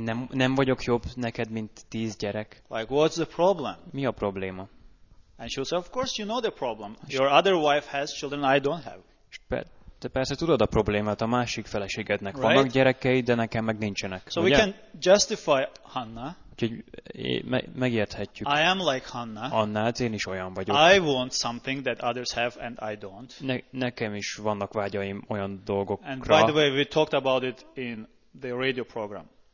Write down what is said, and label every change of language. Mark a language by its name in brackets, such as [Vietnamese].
[Hungarian] Nem vagyok jobb neked, mint 10 gyerek. [English] Like, what's the problem? [Hungarian] Mi a probléma? [English] And she said, of course you know the problem. Your other wife has children, I don't have. [Hungarian] Te persze tudod a problémát, a másik feleségednek right? vannak gyerekei, de nekem meg nincsenek. [English] So ugye? We can justify Hanna. [Hungarian] Úgyhogy megérthetjük. [English] I am like Hanna. [Hungarian] Annát, én is olyan vagyok. [English] I want something that others have and I don't. [Hungarian] Nekem is vannak vágyaim olyan dolgokra. [English] And by the way, we talked about it in the radio program.